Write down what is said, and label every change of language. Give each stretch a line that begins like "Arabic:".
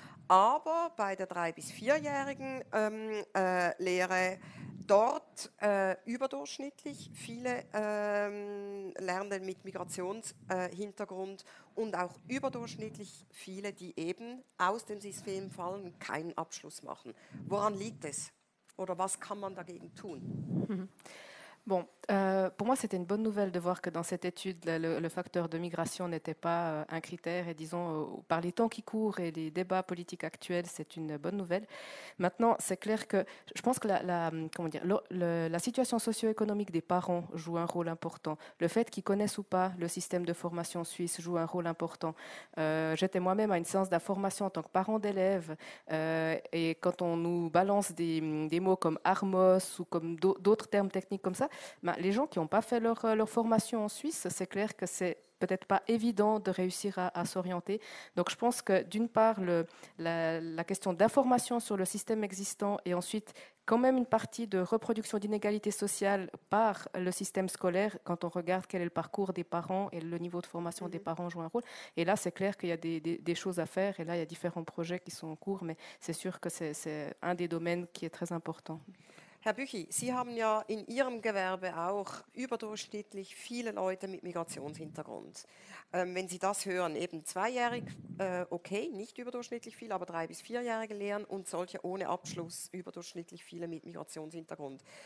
German: Aber bei der 3- bis 4-jährigen Lehre dort überdurchschnittlich viele Lernende mit Migrationshintergrund und auch überdurchschnittlich viele, die eben aus dem System fallen, keinen Abschluss machen. Woran liegt es? Oder was kann man dagegen tun?
French: Bon, pour moi, c'était une bonne nouvelle de voir que dans cette étude, le facteur de migration n'était pas un critère. Et disons, par les temps qui courent et les débats politiques actuels, c'est une bonne nouvelle. Maintenant, c'est clair que je pense que la situation socio-économique des parents joue un rôle important. Le fait qu'ils connaissent ou pas le système de formation suisse joue un rôle important. J'étais moi-même à une séance d'information en tant que parent d'élève. Et quand on nous balance des mots comme Armos ou comme d'autres termes techniques comme ça, ben, les gens qui n'ont pas fait leur formation en Suisse, c'est clair que c'est peut-être pas évident de réussir à s'orienter. Donc je pense que d'une part, la question d'information sur le système existant et ensuite quand même une partie de reproduction d'inégalités sociales par le système scolaire, quand on regarde quel est le parcours des parents et le niveau de formation des parents joue un rôle. Et là, c'est clair qu'il y a des choses à faire et là, il y a différents projets qui sont en cours, mais c'est sûr que c'est un des domaines qui est très important.
German: Herr Büchi, Sie haben ja in Ihrem Gewerbe auch überdurchschnittlich viele Leute mit Migrationshintergrund. Wenn Sie das hören, eben zweijährig, okay, nicht überdurchschnittlich viel, aber drei- bis vierjährige Lehren und solche ohne Abschluss überdurchschnittlich viele mit Migrationshintergrund.